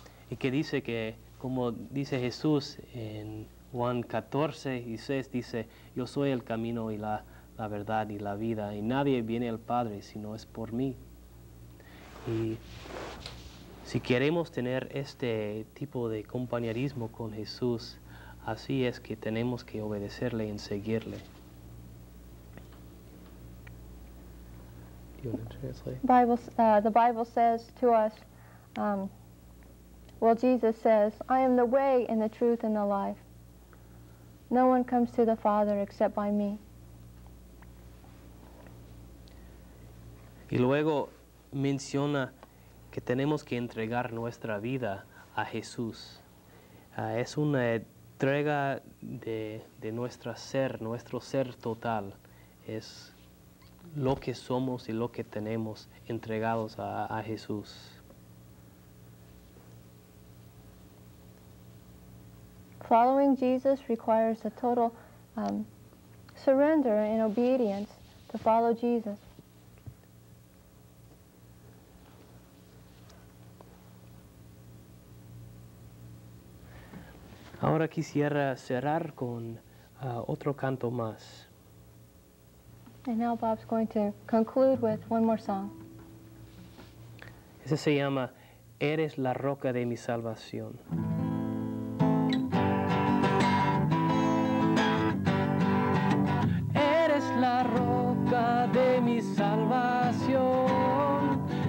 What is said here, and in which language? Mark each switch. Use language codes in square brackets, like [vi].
[es] Y que dice que, como dice Jesús en Juan 14 y 6, dice, yo soy el camino y la verdad y la vida, y nadie viene al Padre si no es por mí. Y si queremos tener este tipo de compañerismo con Jesús, así es que tenemos que obedecerle y seguirle. [en] The Bible says to us, Jesus says, I am the way and the truth and the life. No one comes to the Father except by me. [es] Y luego menciona que tenemos que entregar nuestra vida a Jesús. Es una entrega de nuestro ser, total. Es lo que somos y lo que tenemos entregados a Jesús. [en] Following Jesus requires a total surrender and obedience to follow Jesus. [es] Ahora quisiera cerrar con otro canto más. [en] And now Bob's going to conclude with one more song. [es] Ese se llama Eres la roca de mi salvación. Eres la roca de mi salvación.